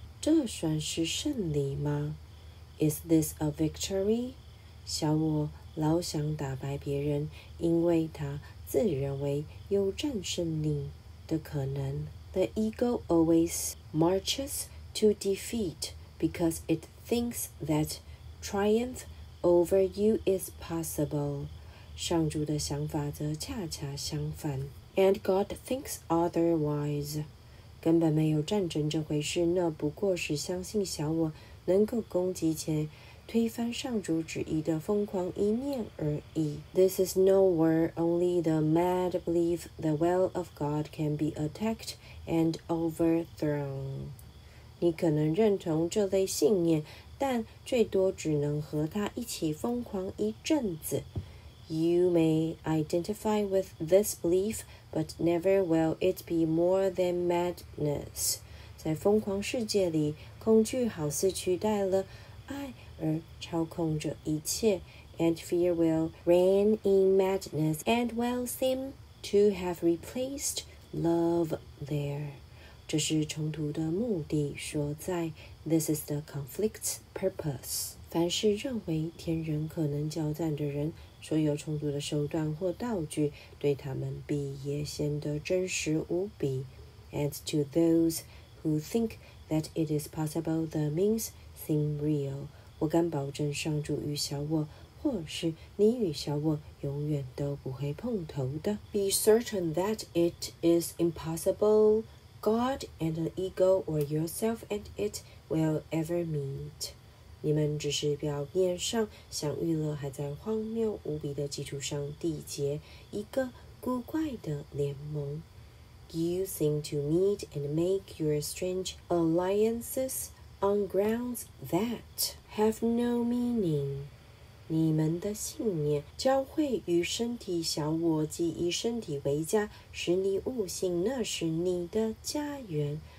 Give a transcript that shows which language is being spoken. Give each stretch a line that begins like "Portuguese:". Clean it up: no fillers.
Chinese: 这算是胜利吗？
English: Is this a victory?
Chinese: 小我老想打败别人，因为他自认为有战胜你的可能。
English: The ego always marches to defeat because it thinks that triumphover you is possible.
Chinese: 上主的想法则恰恰相反。
English: And God thinks otherwise.
Chinese: 根本没有战争这回事，那不过是相信小我能够攻击且推翻上主旨意的疯狂一念而已。
English: This is no war, only the mad belief the will of God can be attacked and overthrown.
Chinese: 你可能认同这类信念，但最多只能和他一起疯狂一阵子。
English: You may identify with this belief, but never will it be more than madness.
Chinese: 在疯狂世界里，恐惧好似取代了爱而操控着一切。
English: And fear will reign in madness and will seem to have replaced love there.
Chinese: 这是冲突的目的所在。
English: This is the conflict's purpose.
Chinese: 凡是认为天人可能交战的人，所有冲突的手段或道具对他们必也显得真实无比。
English: And to those who think that it is possible, the means seem real.
Chinese: 我敢保证上主与小我，或是你与小我，永远都不会碰头的。
English: Be certain that it is impossible. God and the ego or yourself and it will ever meet.
Chinese: 你们只是表面上相遇了，还在荒谬无比的基础上缔结一个古怪的联盟。
English: You seem to meet and make your strange alliances on grounds that have no meaning.
Chinese: 你们的信念交汇于身体小我，即以身体为家，使你悟性，那是你的家园。